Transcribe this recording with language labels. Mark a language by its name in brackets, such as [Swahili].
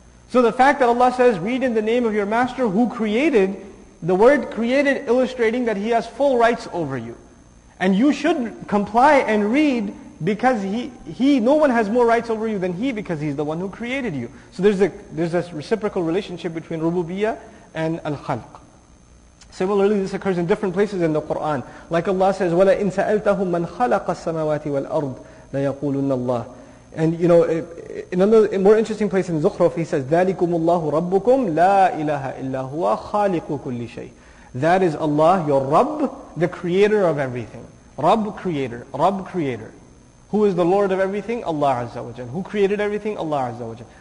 [English] So the fact that Allah says, read in the name of your master who created, the word created illustrating that He has full rights over you. And you should comply and read because he no one has more rights over you than He, because He's the one who created you. So there's this reciprocal relationship between rububiyyah and al-khalq. Similarly, this occurs in different places in the Qur'an. Like Allah says, [Arabic] وَلَا إِن سَأَلْتَهُمْ مَنْ خَلَقَ السَّمَاوَاتِ وَالْأَرْضِ لَيَقُولُنَّ اللَّهِ. [English] And you know, in another more interesting place in Zukhruf, He says, [Arabic] ذَلِكُمُ اللَّهُ رَبُّكُمْ لَا إِلَهَ إِلَّا هُوَ خَالِقُ كُلِّ شَيْءٍ. [English] That is Allah, your Rabb, the creator of everything. Rabb creator. Who is the Lord of everything? Allah Azza wa Jal. Who created everything? Allah Azza wa Jal.